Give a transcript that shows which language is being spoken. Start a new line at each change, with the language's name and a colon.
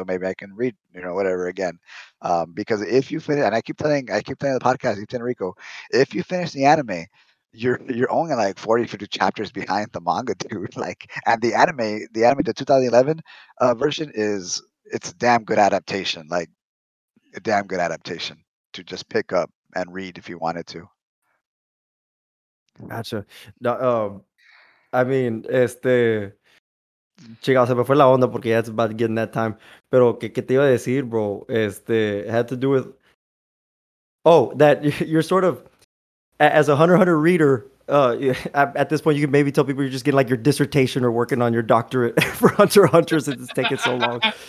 English: So maybe I can read, you know, whatever again. Because if you finish, and I keep telling the podcast, Ethan Rico, if you finish the anime, you're only like 40, 50 chapters behind the manga, dude. Like, and the anime, the 2011 version is, it's a damn good adaptation. Like, a damn good adaptation to just pick up and read if you wanted to. Gotcha. No, I mean,
Spanish: chica, se me fue la onda porque ya es
English: about getting that time.
Spanish: Pero, ¿qué te iba a decir, bro?
English: Had to do with, oh, that you're sort of, as a Hunter reader, at this point, you can maybe tell people you're just getting like your dissertation or working on your doctorate for Hunter x Hunter since it's taking so long.